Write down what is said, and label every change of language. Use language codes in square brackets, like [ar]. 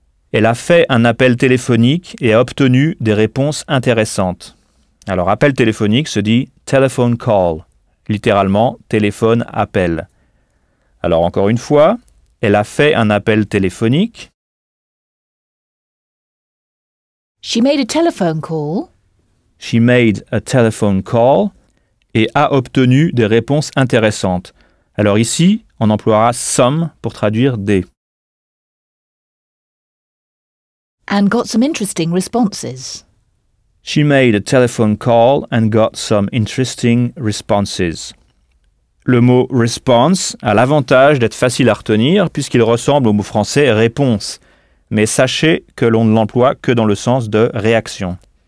[fr] Elle a fait un appel téléphonique et a obtenu des réponses intéressantes. Alors, appel téléphonique se dit telephone call, littéralement téléphone appel. Alors, encore une fois, elle a fait un appel téléphonique. [en] She made a telephone call. She made a telephone call [fr] et a obtenu des réponses intéressantes. Alors ici, on emploiera some pour traduire des. [en] And got some interesting responses. She made a telephone call and got some interesting responses. [fr] Le mot response a l'avantage d'être facile à retenir puisqu'il ressemble au mot français réponse. Mais sachez que l'on ne l'emploie que dans le sens de réaction.